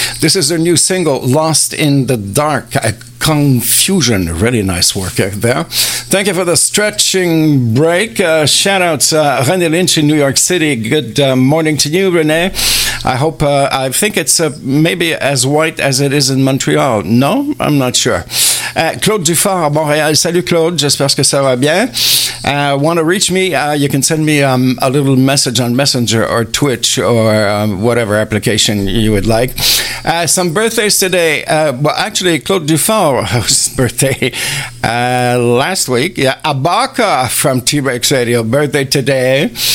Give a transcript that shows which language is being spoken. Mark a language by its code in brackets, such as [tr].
[en] This is their new single, Lost in the Dark, Confusion. Really nice work there. Thank you for the stretching break. Shout out to René Lynch in New York City. Good morning to you, René. I hope, I think it's maybe as white as it is in Montreal. No, I'm not sure. [fr] Claude Dufort à Montréal. Salut Claude, j'espère que ça va bien. [en] Want to reach me? You can send me a little message on Messenger or Twitch or whatever application you would like. Some birthdays today. Well, actually, Claude Dufort's birthday last week. Yeah, Abaka from T-Rex Radio, birthday today.